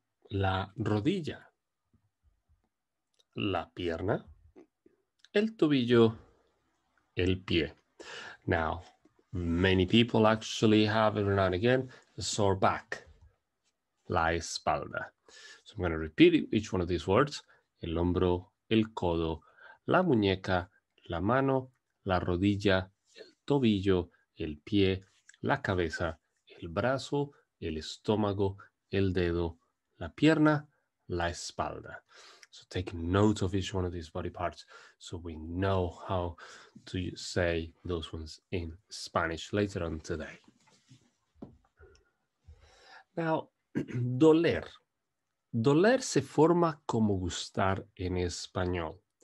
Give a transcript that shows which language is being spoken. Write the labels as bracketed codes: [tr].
[es] La rodilla. La pierna. El tobillo, el pie. [en] Now, many people actually have every now and again a sore back. [es] La espalda. [en] So I'm going to repeat each one of these words. [es] El hombro, el codo, la muñeca, la mano, la rodilla, el tobillo, el pie, la cabeza, el brazo, el estómago, el dedo, la pierna, la espalda. [en] So take note of each one of these body parts so we know how to say those ones in Spanish later on today. [es] Now, doler. Doler se forma como gustar en español.